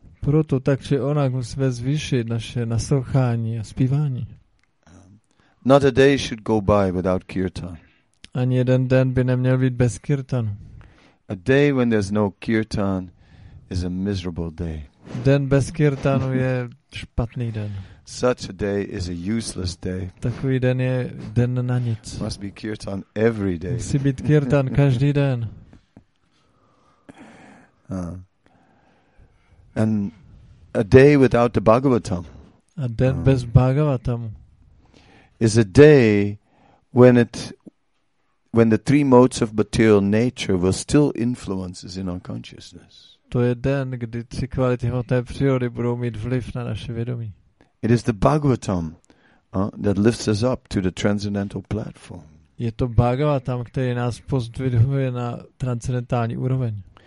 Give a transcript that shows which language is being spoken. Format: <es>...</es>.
<cs>Proto tak či onak musíme zvýšit naše naslouchání a zpívání.</cs> <en>Not a day should go by without kirtan.</en> <cs>Ani jeden den by neměl být bez kirtanu.</cs> <en>A day when there's no kirtan is a miserable day.</en> <cs>Den bez kirtanu je špatný den.</cs> <en>Such a day is a useless day.</en> <cs>Takový den je den na nic.</cs> <en>Must be kirtan every day.</en> <cs>Musí být kirtan každý den.</cs> <en>And a day without the Bhagavatam.</en> <cs>A den bez Bhagavatam.</cs> <en>Is a day when the three modes of material nature will still influence us in our consciousness.</en> <cs>To je den, kdy tři kvality hmotné přírody budou mít vliv na naše vědomí.</cs> <en>It is the Bhagavatam that lifts us up to the transcendental platform.</en> <cs>Je to Bhagavatam, který nás pozdvihuje na transcendentální úroveň.</cs>